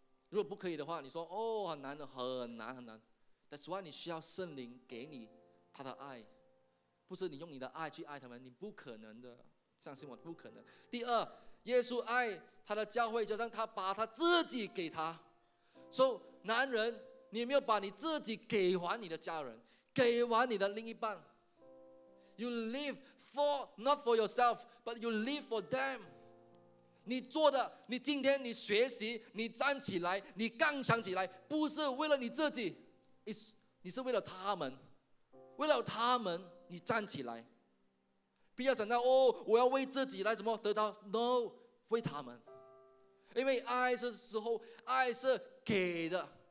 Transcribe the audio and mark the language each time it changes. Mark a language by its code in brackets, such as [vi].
[zh] 如果不可以的话，你说哦，很难的，很难很难。 [en] That's why [zh] 你需要圣灵给你他的爱，不是你用你的爱去爱他们，你不可能的，相信我，不可能。第二，耶稣爱他的教会，就像他把他自己给他。所以，男人，你没有把你自己给完你的家人，给完你的另一半。 [en] You live for not for yourself, but you live for them. [zh] 你做的，你今天你学习，你站起来，你刚强起来，不是为了你自己， it's 你是为了他们，为了他们你站起来。不要想到哦，我要为自己来什么得到 ？No， 为他们，因为爱是时候，爱是给的。